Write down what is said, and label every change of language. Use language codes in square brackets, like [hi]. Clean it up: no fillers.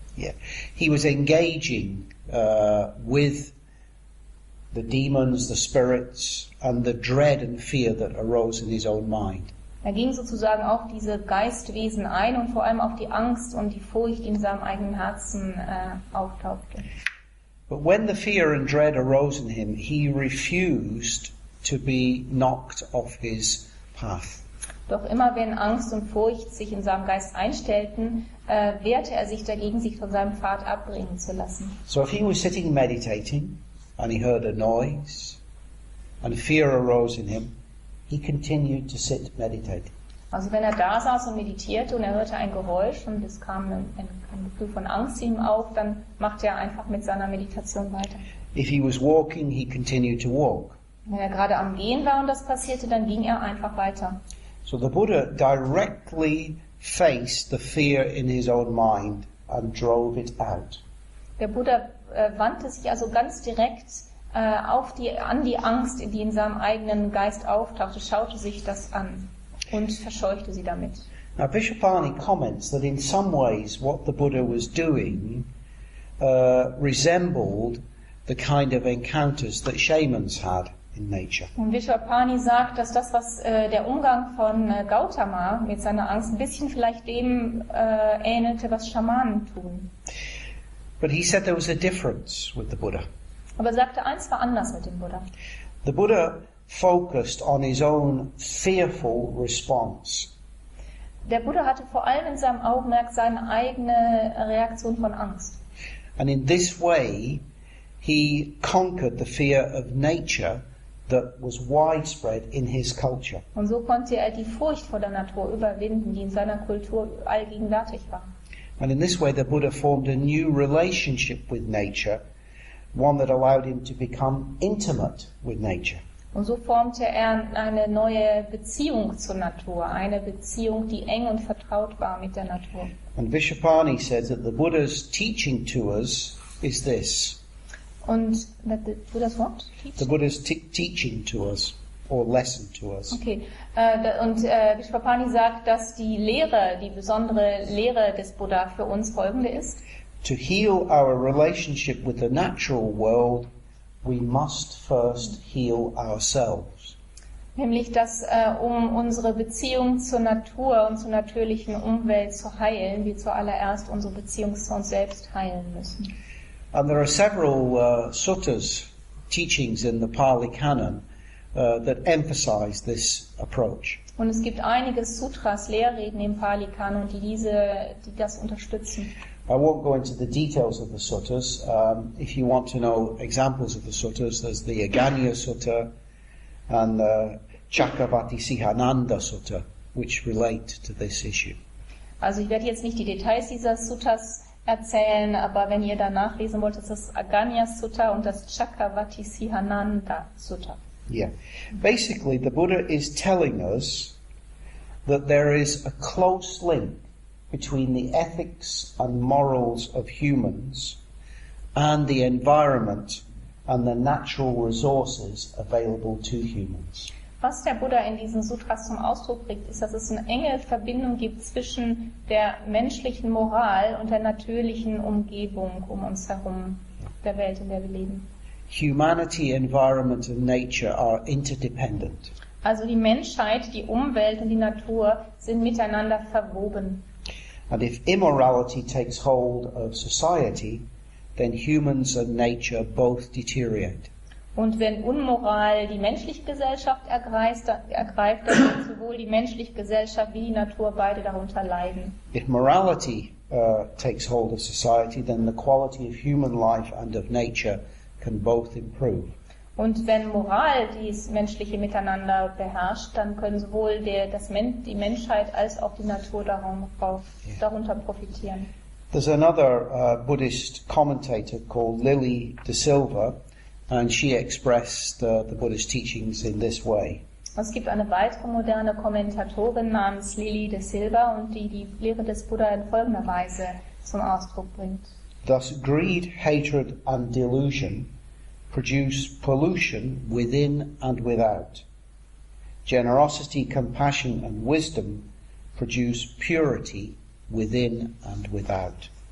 [en] Yeah. He was engaging with the demons, the spirits, and the dread and fear that arose in his own mind. [de] Er ging sozusagen auf diese Geistwesen ein und vor allem auf die Angst und die Furcht, die in seinem eigenen Herzen auftauchte. [en] But when the fear and dread arose in him, he refused to be knocked off his path. [de] Doch immer wenn Angst und Furcht sich in seinem Geist einstellten, wehrte er sich dagegen, sich von seinem Pfad abbringen zu lassen. [en] So if he was sitting meditating and he heard a noise and fear arose in him, he continued to sit meditating. [de] Also wenn er da saß und meditierte und er hörte ein Geräusch und es kam ein Gefühl von Angst in ihm auf, dann machte er einfach mit seiner Meditation weiter. [en] If he was walking, he continued to walk. [de] Wenn er gerade am Gehen war und das passierte, dann ging er einfach weiter. [en] So the Buddha directly faced the fear in his own mind and drove it out. [de] Der Buddha wandte sich also ganz direkt an die Angst, die in seinem eigenen Geist auftauchte, schaute sich das an und verscheuchte sie damit. [en] Now Vishapani comments that in some ways what the Buddha was doing resembled the kind of encounters that shamans had. [de] Und Vishapani sagt, dass das, was der Umgang von Gautama mit seiner Angst ein bisschen vielleicht dem ähnelte, was Schamanen tun. [en] But he said there was a difference with the Buddha. [de] Aber er sagte, eins war anders mit dem Buddha. [en] The Buddha focused on his own fearful response. [de] Der Buddha hatte vor allem in seinem Augenmerk seine eigene Reaktion von Angst. [en] And in this way, he conquered the fear of nature that was widespread in his culture. [de] Und so konnte er die Furcht vor der Natur überwinden, die in seiner Kultur allgegenwärtig war. [en] And in this way the Buddha formed a new relationship with nature, one that allowed him to become intimate with nature. [de] Und so formte er eine neue Beziehung zur Natur, eine Beziehung, die eng und vertraut war mit der Natur. [en] And Vishapani says that the Buddha's teaching to us is this. [de] Und [en] that the Buddha's what? The Buddha's teaching to us, or lesson to us. Okay. [de] Und Vishvapani sagt, dass die Lehre, die besondere Lehre des Buddha für uns folgende ist. [en] To heal our relationship with the natural world, we must first heal ourselves. [de] Nämlich, dass um unsere Beziehung zur Natur und zur natürlichen Umwelt zu heilen, wir zuallererst unsere Beziehung zu uns selbst heilen müssen. [en] And there are several suttas, teachings in the Pali Canon that emphasize this approach. [de] Und es gibt einige Sutras, Lehrreden im Pali Canon, die das unterstützen. [en] I won't go into the details of the suttas. If you want to know examples of the suttas, there's the Aganya Sutta and the Chakravartisihananda Sutta, which relate to this issue. [de] Also ich werde jetzt nicht die Details dieser Suttas erzählen, aber wenn ihr da nachlesen wollt, ist das Aganya Sutta und das Chakravarti Sihananda Sutta. [en] Yeah. Basically, the Buddha is telling us that there is a close link between the ethics and morals of humans and the environment and the natural resources available to humans. [de] Was der Buddha in diesen Sutras zum Ausdruck bringt, ist, dass es eine enge Verbindung gibt zwischen der menschlichen Moral und der natürlichen Umgebung um uns herum, der Welt, in der wir leben. [en] Humanity, environment and nature are interdependent. [de] Also die Menschheit, die Umwelt und die Natur sind miteinander verwoben. [en] And if immorality takes hold of society, then humans and nature both deteriorate. [de] Und wenn Unmoral die menschliche Gesellschaft ergreift, dann wird sowohl die menschliche Gesellschaft wie die Natur beide darunter leiden. [en] If morality takes hold of society, then the quality of human life and of nature can both improve. [de] Und wenn Moral dies menschliche Miteinander beherrscht, dann können sowohl die Menschheit als auch die Natur darunter profitieren. [en] There's another Buddhist commentator called Lily De Silva, and she expressed the Buddhist teachings in this way. [de] Es gibt eine weitere moderne Kommentatorin namens Lily De Silva, und die Lehre des Buddha in folgender Weise zum Ausdruck bringt. [en] Thus greed, hatred and delusion produce pollution within and without. Generosity, compassion and wisdom produce purity within and without.